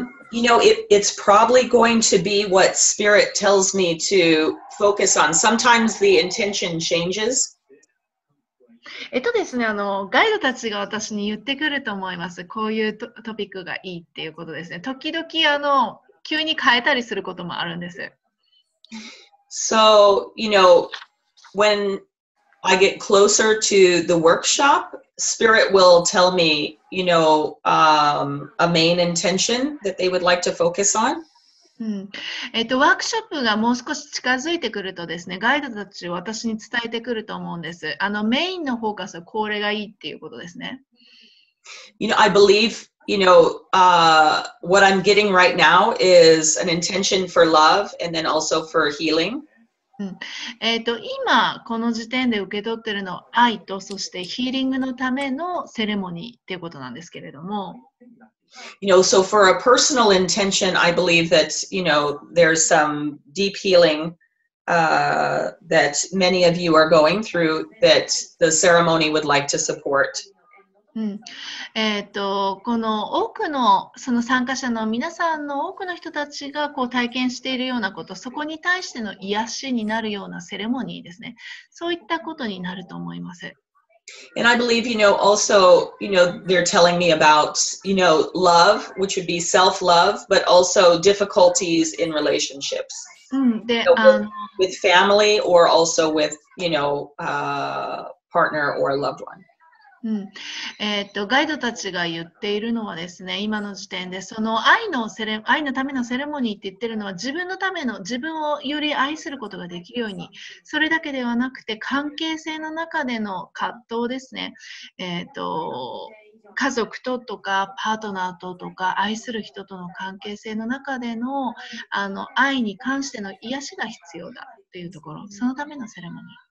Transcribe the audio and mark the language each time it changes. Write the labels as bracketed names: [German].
[English] You know, it's probably going to be what spirit tells me to focus on. Sometimes the intention changes. [Japanese] ですね、ガイドたちが私に言ってくると思います。こういう トピックがいいっていうことですね。時々急に変えたりすることもあるんです。 [English] So, you know, when I get closer to the workshop, Spirit will tell me, you know, a main intention that they would like to focus on. [Japanese] ワークショップがもう少し近づいてくるとですね、ガイドたちを私に伝えてくると思うんです。メインのフォーカスはこれがいいっていうことですね。 [English] You know, I believe, you know, what I'm getting right now is an intention for love and then also for healing. [Japanese] 今この時点で受け取ってるのは愛とそしてヒーリングのためのセレモニーっていうことなんですけれども。 [English] You know, so for a personal intention, I believe that, you know, there's some deep healing, that many of you are going through that the ceremony would like to support. [Japanese] この多くのその参加者の皆さんの多くの人たちがこう体験しているようなこと、そこに対しての癒しになるようなセレモニーですね。そういったことになると思います。 [English] And I believe, you know, also, you know, they're telling me about, you know, love, which would be self-love, but also difficulties in relationships. With family or also with, you know, partner or loved one. [Japanese] ガイドたちが言っているのはですね、今の時点でその愛のためのセレモニーって言ってるのは自分のための自分をより愛することができるように、それだけではなくて関係性の中での葛藤ですね、家族ととかパートナーととか愛する人との関係性の中で の愛に関しての癒しが必要だというところ、そのためのセレモニー。